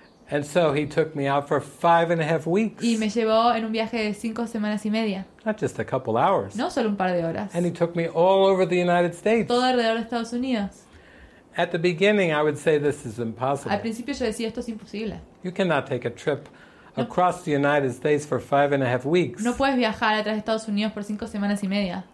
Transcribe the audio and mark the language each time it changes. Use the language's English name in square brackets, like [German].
[English] And so he took me out for 5.5 weeks. [Spanish] Y me llevó en un viaje de 5 semanas y media. [English] Not just a couple hours. [Spanish] No solo un par de horas. [English] And he took me all over the United States. [Spanish] Todo alrededor de Estados Unidos. [English] At the beginning, I would say this is impossible. [Spanish] Al principio yo decía esto es imposible. [English] You cannot take a trip across the United States for 5.5 weeks. [Spanish] No puedes viajar a través de Estados Unidos por 5 semanas y media.